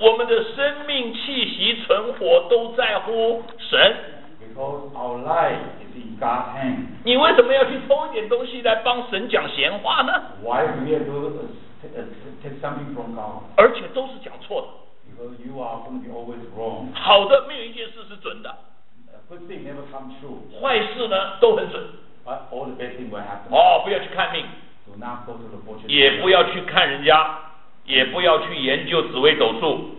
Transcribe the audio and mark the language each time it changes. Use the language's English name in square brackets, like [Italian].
[Chinese] 我们的生命、气息、存活都在乎神。 [English] Because our life is in God's hands. [Chinese] 你为什么要去偷一点东西来帮神讲闲话呢？ [English] Why do we do take something from God? [Chinese] 而且都是讲错的。 [English] Because you are going to be always wrong. [Chinese] 好的，没有一件事是准的。 [English] Good thing never come true. [Chinese] 坏事呢，都很准。 [English] But all the bad things will happen. [Chinese] 哦，不要去看命。 [English] Do not go to the fortune. [Chinese] 也不要去看人家。也不要去研究紫微斗数。